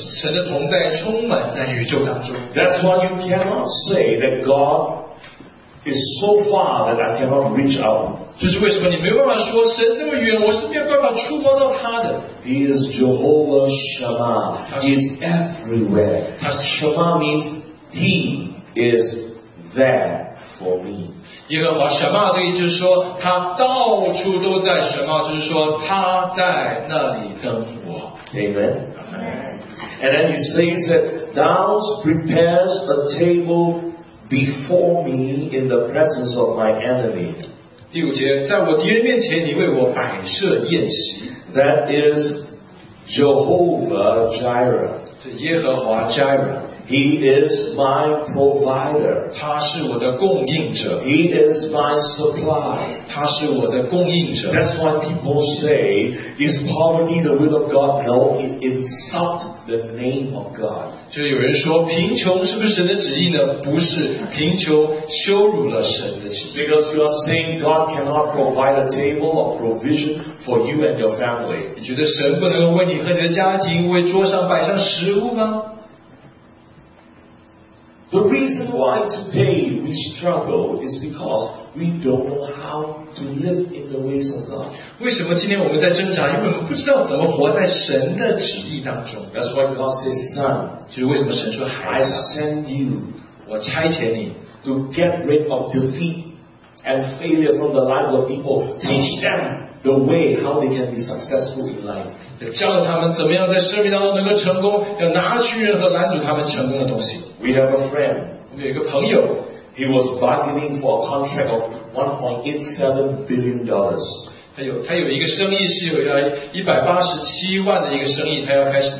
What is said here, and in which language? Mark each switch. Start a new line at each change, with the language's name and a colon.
Chinese: 神的同在充满在宇宙当中。
English: That's why you cannot say that God is so far that I cannot reach out.
Chinese: 就是为什么你没有办法说神这么远，我是没有办法触摸到他的。
English: He is Jehovah Shammah. He is everywhere. Shammah means He is there for me.
Chinese: 耶和华什么？这个意思就是说，他到处都在什么？就是说，他在那里等我。
English: Amen. And then he says that Thou prepares a table before me in the presence of my enemy.
Chinese: 第五节，在我敌人面前，你为我摆设宴席。
English: That is Jehovah Jireh.
Chinese: 是耶和华 Jireh。
English: He is my provider.
Chinese: 他是我的供应者。
English: He is my supply.
Chinese: 他是我的供应者。
English: That's why people say, is poverty the will of God? No, it insults the name of God.
Chinese: 就有人说贫穷是不是神的旨意呢？不是，贫穷羞辱了神的旨意。
English: Because you are saying God cannot provide a table of provision for you and your family.
Chinese: 你觉得神不能为你和你的家庭为桌上摆上食物吗？
English: The reason why today we struggle is because we don't know how to live in the ways of God.
Chinese: 为什么今天我们在挣扎？因为我们不知道怎么活在神的旨意当中。
English: That's why God says, "Son."
Chinese: 就是为什么神说孩子
English: ，I send you.
Chinese: 我差遣你
English: to get rid of defeat and failure from the lives of people. Teach them the way how they can be successful in life.
Chinese: 教他们怎么样在生命当中能够成功，要拿去任何拦阻他们成功的东西。
English: We have a friend.
Chinese: 我们有一个朋友
English: ，He was bargaining for a contract of $1.87 billion.
Chinese: 他有一个生意是有187万的一个生意，他要开始